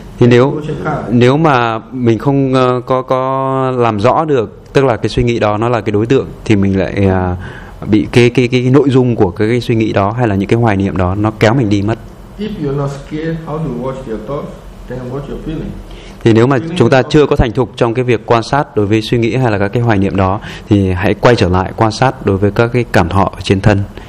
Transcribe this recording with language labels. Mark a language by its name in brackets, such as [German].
[Vietnamese] Thì nếu mà mình không có làm rõ được, tức là cái suy nghĩ đó nó là cái đối tượng, thì mình lại bị cái nội dung của cái suy nghĩ đó hay là những cái hoài niệm đó nó kéo mình đi mất. [English] If you're not scared how to watch your thoughts, then watch your feeling. [Vietnamese] Thì nếu mà chúng ta chưa có thành thục trong cái việc quan sát đối với suy nghĩ hay là các cái hoài niệm đó, thì hãy quay trở lại quan sát đối với các cái cảm thọ ở trên thân.